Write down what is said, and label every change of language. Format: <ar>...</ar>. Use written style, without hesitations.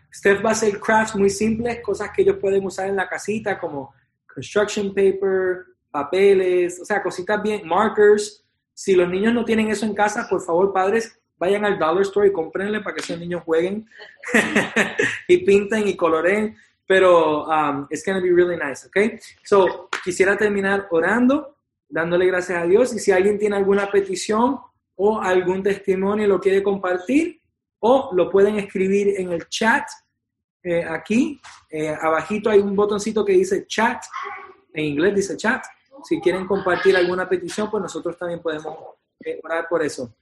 <es>Steph va a hacer crafts muy simples, cosas que ellos pueden usar en la casita, como construction paper, papeles, o sea, cositas bien, markers. Si los niños no tienen eso en casa, por favor, padres, vayan al Dollar Store y cómprenle para que esos niños jueguen y pinten y coloreen.</es> <en>Pero it's going to be really nice, okay?</en> <es>So, quisiera terminar orando, dándole gracias a Dios. Y si alguien tiene alguna petición o algún testimonio, lo quiere compartir, o lo pueden escribir en el chat. Aquí, abajito hay un botoncito que dice chat, en inglés dice chat. Si quieren compartir alguna petición, pues nosotros también podemos orar por eso.</es>